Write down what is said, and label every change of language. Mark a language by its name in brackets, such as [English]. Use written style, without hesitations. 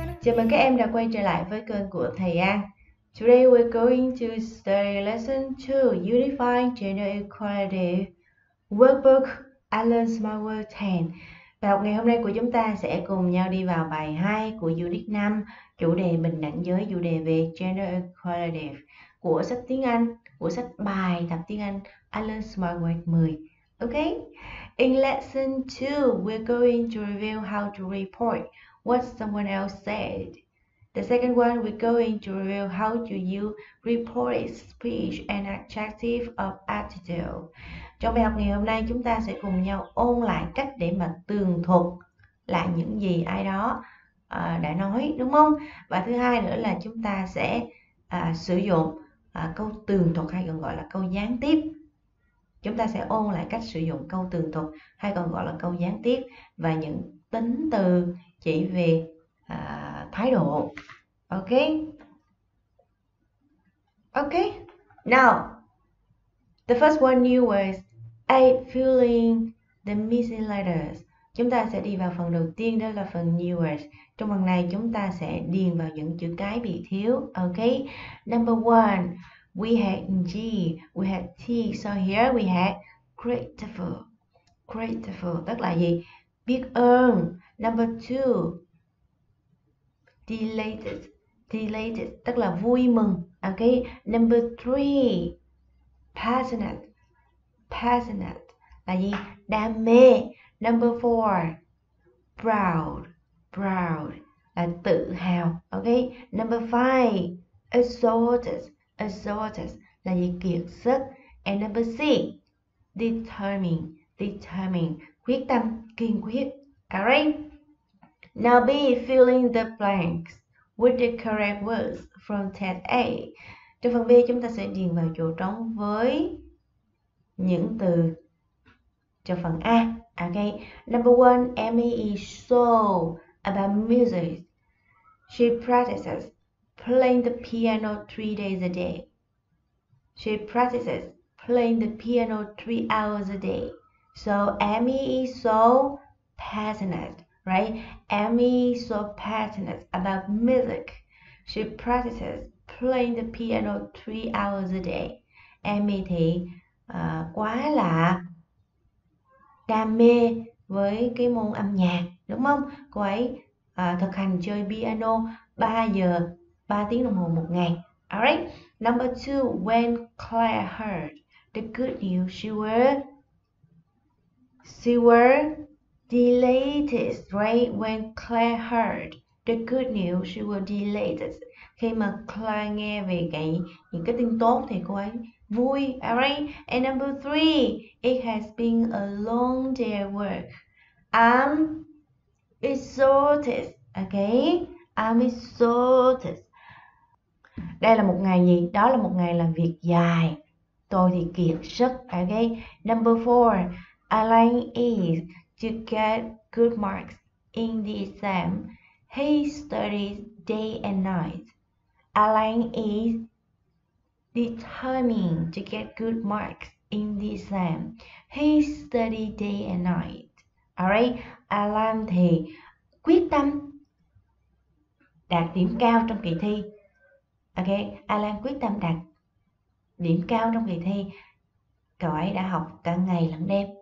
[Vietnamese] Chào mừng các em đã quay trở lại với kênh của thầy An. [English] Today we're going to study lesson 2, Unifying Gender Equality, Workbook Alan Smower 10. [Vietnamese] Bài học ngày hôm nay của chúng ta sẽ cùng nhau đi vào bài 2 của Unit 5, chủ đề bình đẳng giới, chủ đề về Gender Equality của sách tiếng Anh, của sách bài tập tiếng Anh Alan Smower 10. [English] Ok? In lesson 2, we're going to review how to report what someone else said. The second one, we're going to review how to use reported speech and adjective of attitude. [Vietnamese] Trong bài học ngày hôm nay, chúng ta sẽ cùng nhau ôn lại cách để mà tường thuật là những gì ai đó đã nói, đúng không? Và thứ hai nữa là chúng ta sẽ sử dụng câu tường thuật hay còn gọi là câu gián tiếp. Chúng ta sẽ ôn lại cách sử dụng câu tường thuật hay còn gọi là câu gián tiếp và những tính từ chỉ về thái độ. [English] Ok? Ok? Now, the first one you was A, filling the missing letters. [Vietnamese] Chúng ta sẽ đi vào phần đầu tiên, đó là phần newest. Trong phần này chúng ta sẽ điền vào những chữ cái bị thiếu. [English] Ok. Number one, we had G, we had T. So here we had grateful. Grateful [Vietnamese] tức là gì? Biết ơn. [English] Number two, delighted. Delighted [Vietnamese] tức là vui mừng. [English] Ok. Number three, passionate. Passionate [Vietnamese] là gì? Đam mê. [English] Number four, proud. Proud [Vietnamese] là tự hào. [English] Ok. Number five, exalted. Exalted [Vietnamese] là gì? Kiệt sức. [English] And number six, determined. [Vietnamese] Determined, quyết tâm, kiên quyết. [English] Alright. Now B, filling the blanks with the correct words from test A. [Vietnamese] Trong phần B chúng ta sẽ điền vào chỗ trống với những từ cho phần A. [English] Ok. Number one, Emmy is so about music. She practices playing the piano 3 days a day. She practices playing the piano 3 hours a day. So Emmy is so passionate, right? Emmy is so passionate about music. She practices playing the piano 3 hours a day. [Vietnamese] Emmy thì quá là đam mê với cái môn âm nhạc, đúng không? Cô ấy thực hành chơi piano 3 giờ, 3 tiếng đồng hồ một ngày. [English] Alright. Number 2, when Claire heard the good news, she were delighted, right? When Claire heard the good news, she were delighted. [Vietnamese] Khi mà Claire nghe về cái những cái tin tốt thì cô ấy vui. [English] Alright. And number three, it has been a long day at work. I'm exhausted. Okay. I'm exhausted. [Vietnamese] Đây là một ngày gì? Đó là một ngày làm việc dài. Tôi thì kiệt sức. [English] Okay. Number four, Alan is to get good marks in the exam. He studies day and night. Alan is determined to get good marks in the exam. He study day and night. [Vietnamese] Alright, Alan thì quyết tâm đạt điểm cao trong kỳ thi. Okay, Alan quyết tâm đạt điểm cao trong kỳ thi. Cậu ấy đã học cả ngày lẫn đêm.